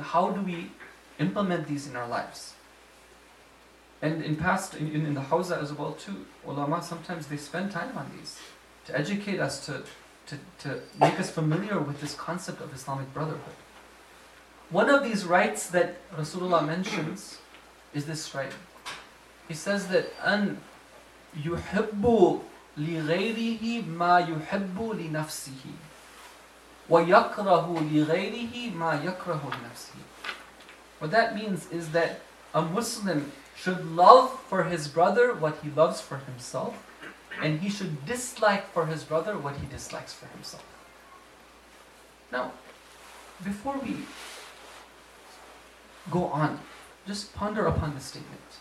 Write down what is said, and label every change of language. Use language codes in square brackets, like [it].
[en] How do we implement these in our lives? And in past, in the Hawza as well too, ulama sometimes they spend time on these to educate us, to make us familiar with this concept of Islamic brotherhood. One of these rights that Rasulullah mentions is this right. He says that [ar] أَن يُحِبُّ لِغَيْرِهِ مَا يُحِبُّ لِنَفْسِهِ وَيَكْرَهُ لِغَيْرِهِ مَا يَكْرَهُ لِنَفْسِهِ. [en] What that means is that a Muslim should love for his brother what he loves for himself, and he should dislike for his brother what he dislikes for himself. Now, before we go on, just ponder upon the statement.